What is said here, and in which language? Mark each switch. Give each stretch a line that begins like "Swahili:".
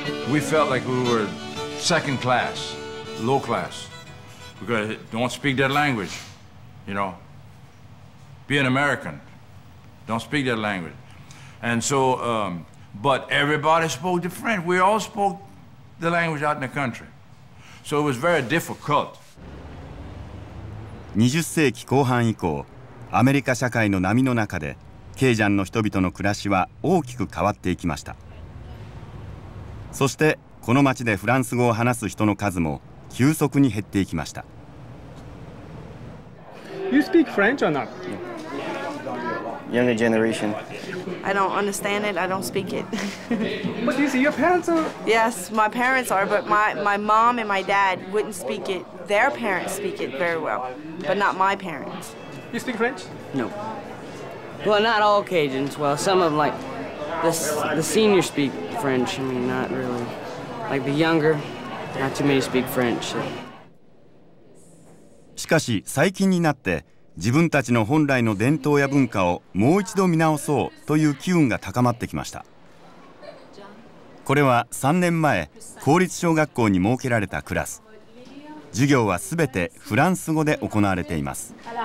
English: We felt like we were second class, low class, because don't speak that language, you know. Be an American, don't speak that language. And so, but everybody spoke the French. We all spoke the language out in the country. So it was very difficult.
Japanese: 20世紀後半以降、アメリカ社会の波の中で、ケージャンの人々の暮らしは大きく変わっていきました。そして、この町でフランス語を話す人の数も急速に減っていきました。
English: You speak French or not? Younger generation. I don't understand it. I don't speak it. But you see, your parents are. Yes, my parents are, but my mom and my dad wouldn't speak it. Their parents speak it very well, but not my parents. You speak French? No. Well, not all Cajuns. Well, some of them, like the seniors speak French. I mean, not really. Like the younger, not too many speak French. So.
Japanese: しかし最近になって自分たちの本来の伝統や文化をもう一度見直そうという機運が高まってきました。これは3年前、公立小学校に設けられたクラス。授業はすべてフランス語で行われています。